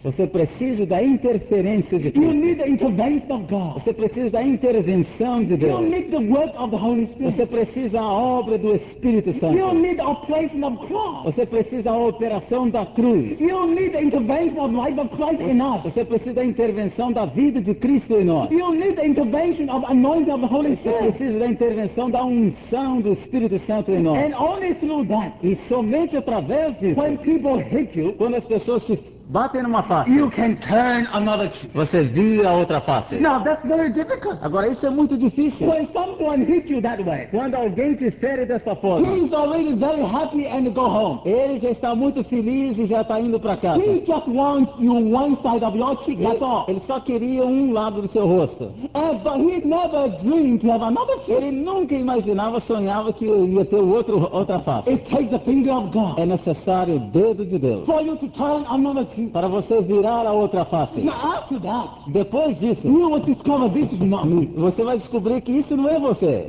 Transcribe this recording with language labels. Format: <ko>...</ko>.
<pt>Você precisa da interferência de Cristo.</pt> <en>You need the intervention of God.</en> <pt>Você precisa da intervenção de Deus.</pt> <en>You need the work of the Holy Spirit.</en> <pt>Você precisa da obra do Espírito Santo.</pt> <en>You need the operation of cross.</en> <pt>Você precisa da operação da cruz.</pt> <en>You need the intervention of life of Christ in us.</en> <pt>Você precisa da intervenção da vida de Cristo em nós.</pt> <en>You need the intervention of anointing of the Holy Spirit.</en> <pt>Você precisa da intervenção da unção do Espírito Santo em nós.</pt> <en>And only through that.</en> <pt>E somente através disso.</pt> <en>When people hate you,</en> <pt>quando as pessoas se batem numa face,</pt> <en>you can turn another cheek.</en> <pt>Você vira outra face.</pt> <en>Now that's very difficult.</en> <pt>Agora isso é muito difícil.</pt> <en>When someone hits you that way,</en> <pt>quando alguém te fere dessa forma,</pt> <en>he's already very happy and go home.</en> <pt>Ele já está muito feliz e já está indo para casa.</pt> <en>He just wants you one side of your cheek. That's all.</en> <pt>Ele só queria lado do seu rosto.</pt> <en>But he never dreamed to have another cheek.</en> <pt>Ele nunca imaginava, sonhava que ia ter outra face.</pt> <en>It takes the finger of God.</en> <pt>É necessário o dedo de Deus.</pt> <en>For you to turn another cheek.</en> <pt>Para você virar a outra face.</pt> <en>After that,</en> <pt>depois disso,</pt> <en>you will discover this is not me.</en> <pt>Você vai descobrir que isso não é você.</pt>